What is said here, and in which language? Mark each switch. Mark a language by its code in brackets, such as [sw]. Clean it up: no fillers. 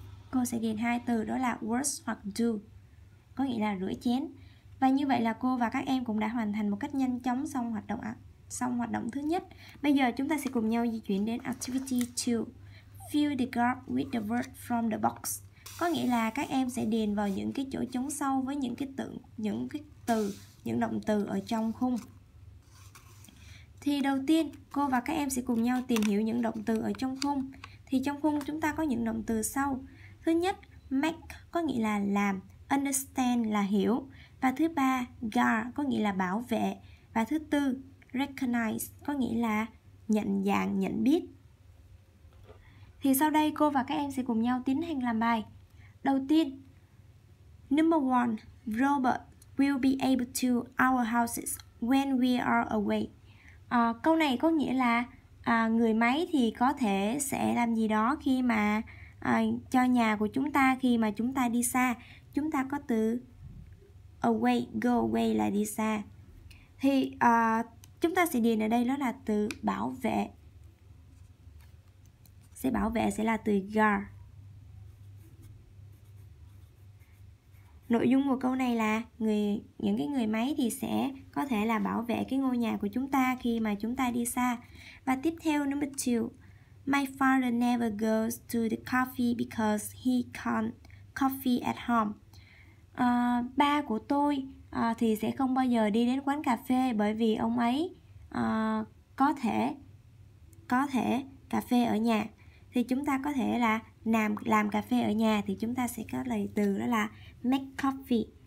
[vi] Cô sẽ điền hai từ đó là wash hoặc do, có nghĩa là rửa chén. Và như vậy là cô và các em cũng đã hoàn thành một cách nhanh chóng xong hoạt động thứ nhất. Bây giờ chúng ta sẽ cùng nhau di chuyển đến activity 2. [en] Fill the gap with the word from the box. [vi] Có nghĩa là các em sẽ điền vào những cái chỗ trống sâu với những động từ ở trong khung. Thì đầu tiên, cô và các em sẽ cùng nhau tìm hiểu những động từ ở trong khung. Thì trong khung chúng ta có những động từ sau. Thứ nhất, make có nghĩa là làm, understand là hiểu. Và thứ ba, guard có nghĩa là bảo vệ. Và thứ tư, recognize có nghĩa là nhận dạng, nhận biết. Thì sau đây cô và các em sẽ cùng nhau tiến hành làm bài. Đầu tiên, [en] number 1, Robert will be able to our houses when we are away. [vi] Câu này có nghĩa là người máy thì có thể sẽ làm gì đó khi mà cho nhà của chúng ta khi mà chúng ta đi xa. Chúng ta có từ away, [en] go away [vi] là đi xa. Thì chúng ta sẽ điền ở đây đó là từ bảo vệ. Sẽ bảo vệ sẽ là từ guard. Nội dung của câu này là những cái người máy thì sẽ có thể là bảo vệ cái ngôi nhà của chúng ta khi mà chúng ta đi xa. Và tiếp theo, [en] number 2. My father never goes to the coffee because he can't coffee at home. [vi] Ba của tôi thì sẽ không bao giờ đi đến quán cà phê bởi vì ông ấy có thể cà phê ở nhà. Thì chúng ta có thể là làm cà phê ở nhà. Thì chúng ta sẽ có lời từ đó là [en] make coffee.